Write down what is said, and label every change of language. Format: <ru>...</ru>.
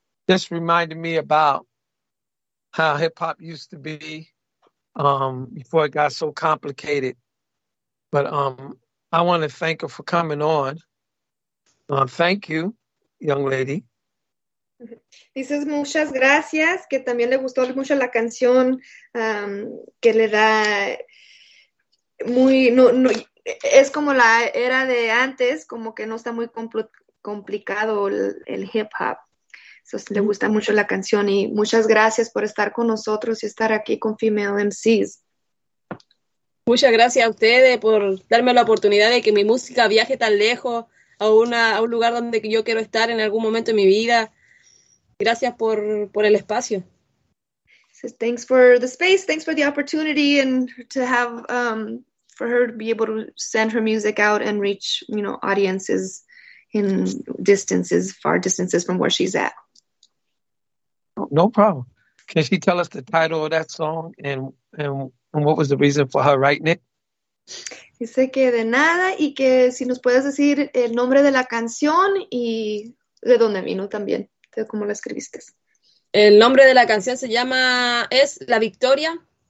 <en>This reminded me about how hip hop used to be before it got so complicated. But I want to thank her for coming on. Thank you, young lady.</en> <es>Dices muchas gracias, que también le gustó mucho la canción que le da muy... No, es como la era de antes, como que no está muy complicado el hip hop. Le gusta mucho la canción y muchas gracias por estar con nosotros y estar aquí con Female MCs. Muchas gracias a ustedes por darme la oportunidad de que mi música viaje tan lejos a un lugar donde yo quiero estar en algún momento de mi vida. Gracias por el espacio.</es> <en>So thanks for the space, thanks for the opportunity and to have... for her to be able to send her music out and reach, you know, audiences in distances, far distances from where she's at. No problem. Can she tell us the title of that song and what was the reason for her writing it?</en> <es>Dice que de nada y que si nos puedes decir el nombre de la canción y de dónde vino también, de cómo la escribiste. El nombre de la canción se llama, es La Victoria.</es>